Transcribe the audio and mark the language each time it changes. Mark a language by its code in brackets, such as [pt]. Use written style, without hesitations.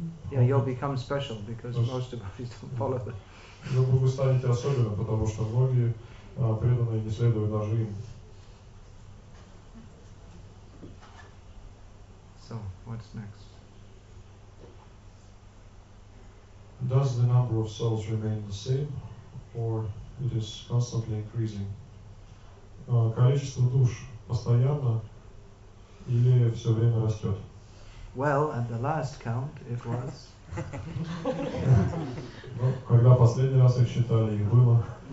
[en] Yeah, you'll become special, because most devotees don't follow them. [ru] Ну, вы станете особенным, потому что многие преданные не следуют даже им. [en] So, what's next? Does the number of souls remain the same, or it is constantly increasing? [ru] Количество душ постоянно или все время растет? [en] Well, at the last count, it was. [ru] Ну, когда последний раз их считали, их было.